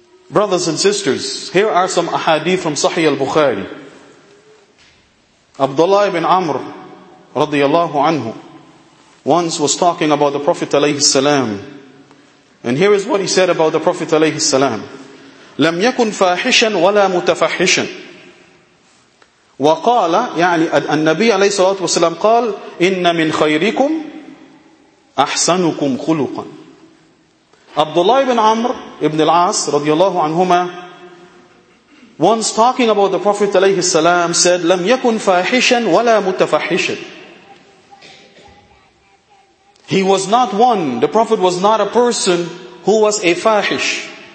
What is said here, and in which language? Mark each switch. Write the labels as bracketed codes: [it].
[en] Brothers and sisters, here are some ahadith from Sahih al-Bukhari. Abdullah ibn Amr radiyallahu anhu once was talking about the Prophet alayhi salam, and here is what he said about the Prophet alayhi salam: [ar] لم يكن فاحشا ولا متفحشا. وقال يعني النبي عليه الصلاة والسلام قال إن من خيركم أحسنكم خلقا. [en] Abdullah ibn Amr ibn al-As radiyallahu anhuma once talking about the Prophet alayhi salam said, [ar] لم يكن فاحشا ولا متفحشا. [en] He was not one, the Prophet was not a person who was a fahish.